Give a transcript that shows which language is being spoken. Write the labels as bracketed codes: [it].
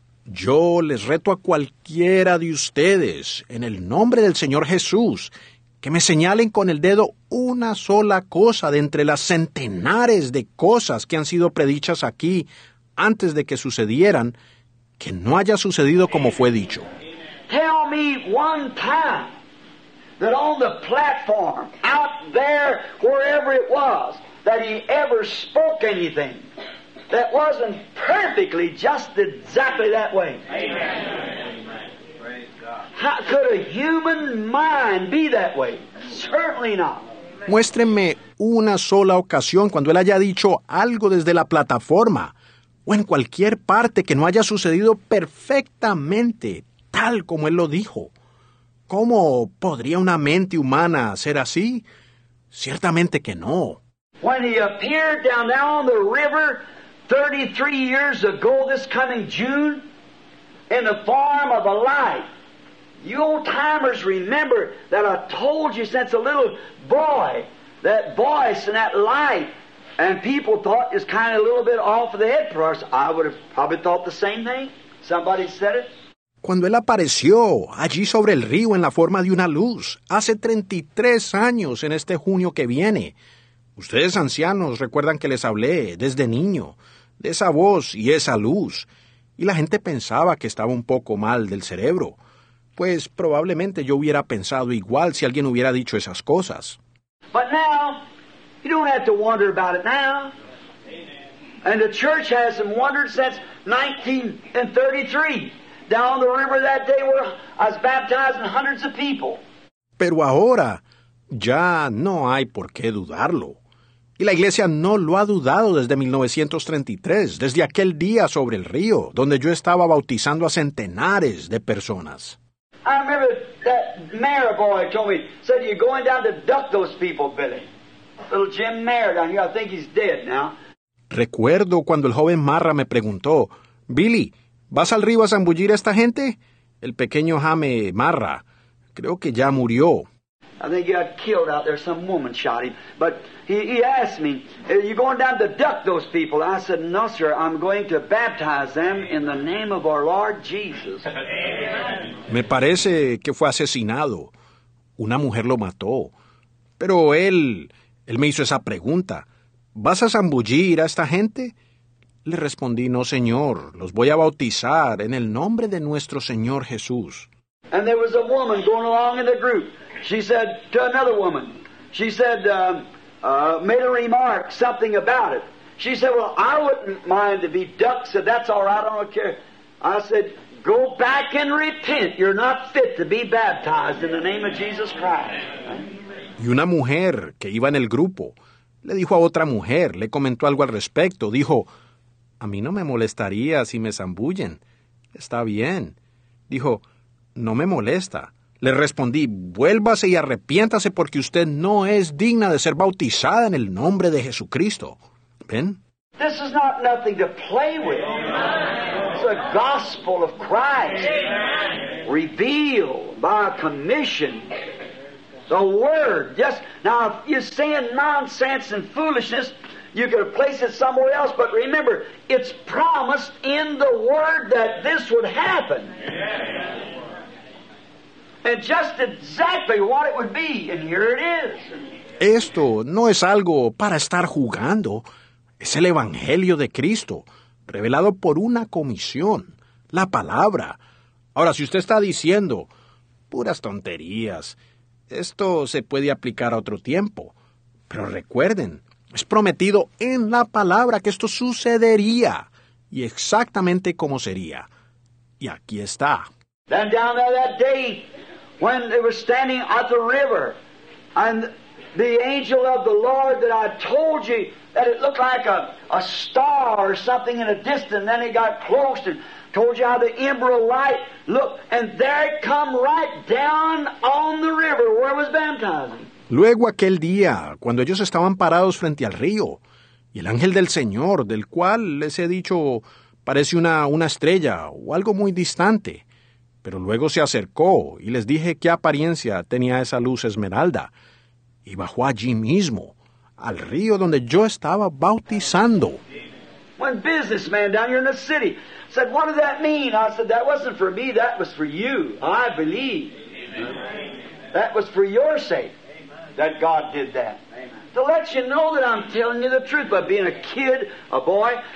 [es] Yo les reto a cualquiera de ustedes, en el nombre del Señor Jesús, que me señalen con el dedo una sola cosa de entre las centenares de cosas que han sido predichas aquí antes de que sucedieran, que no haya sucedido como fue dicho. [en] Tell me one time that on the platform, out there, wherever it was, that he ever spoke anything that wasn't perfectly just exactly that way. Amen. How could a human mind be that way? Certainly not. [es] Muéstrenme una sola ocasión cuando él haya dicho algo desde la plataforma o en cualquier parte que no haya sucedido perfectamente tal como él lo dijo. ¿Cómo podría una mente humana ser así? Ciertamente que no. [en] When he appeared down there on the river 33 years ago this coming June in the form of a light. You old timers remember that I told you since a little boy, that voice and that light, and people thought it's kind of a little bit off of the head for us. I would have probably thought the same thing. Somebody said it. [es] Cuando él apareció allí sobre el río en la forma de una luz, hace 33 años en este junio que viene, ustedes ancianos recuerdan que les hablé desde niño de esa voz y esa luz, y la gente pensaba que estaba un poco mal del cerebro, pues probablemente yo hubiera pensado igual si alguien hubiera dicho esas cosas. [en] But now, you don't have to wonder about it now. And the church hasn't wondered since 1933. Down the river that day were us baptizing hundreds of people. [es] Pero ahora ya no hay por qué dudarlo. Y la iglesia no lo ha dudado desde 1933, desde aquel día sobre el río, donde yo estaba bautizando a centenares de personas. [en] I remember that mayor boy told me, said, you're going down to duck those people, Billy. Little Jim Mayer down here, I think he's dead now. [es] Recuerdo cuando el joven Marra me preguntó, Billy, ¿vas al río a zambullir a esta gente? El pequeño Jaime Marra, creo que ya murió. [en] I think he got killed out there. Some woman shot him. But he asked me, are you going down to duck those people? I said, no, sir, I'm going to baptize them in the name of our Lord Jesus. [es] Me parece que fue asesinado. Una mujer lo mató. Pero él me hizo esa pregunta. ¿Vas a zambullir a esta gente? Le respondí, no, señor, los voy a bautizar en el nombre de nuestro Señor Jesús. [en] And there was a woman going along in the group. She said to another woman, she said, made a remark, something about it. She said, well, I wouldn't mind to be ducked, said, that's all right, I don't care. I said, go back and repent. You're not fit to be baptized in the name of Jesus Christ. [es] Y una mujer que iba en el grupo le dijo a otra mujer, le comentó algo al respecto, dijo, a mí no me molestaría si me zambullen. Está bien. Dijo, no me molesta. Le respondí, vuélvase y arrepiéntase porque usted no es digna de ser bautizada en el nombre de Jesucristo. ¿Ven? [en] This is not nothing to play with. It's the gospel of Christ. Revealed by a commission. The word. Yes. Now, if you're saying nonsense and foolishness, you could place it somewhere else. But remember, it's promised in the word that this would happen. And just exactly what it would be, and here it is. [es] Esto no es algo para estar jugando. Es el Evangelio de Cristo, revelado por una comisión, la palabra. Ahora, si usted está diciendo, puras tonterías, esto se puede aplicar a otro tiempo. Pero recuerden, es prometido en la palabra que esto sucedería, y exactamente como sería. Y aquí está. [en] Then down there that day, when they were standing at the river, and the angel of the Lord that I told you that it looked like a star or something in the distance, then he got close and told you how the emerald light looked, and there it come right down on the river where it was baptizing. [es] Luego aquel día, cuando ellos estaban parados frente al río, y el ángel del Señor, del cual les he dicho parece una estrella o algo muy distante, pero luego se acercó y les dije qué apariencia tenía esa luz esmeralda. Y bajó allí mismo, al río donde yo estaba bautizando. [en] One businessman down here in the city said, what does that mean? I said, that wasn't for me, that was for you. I believe. That was for your sake that God did that. To let you know that I'm telling you the truth by being a kid, a boy,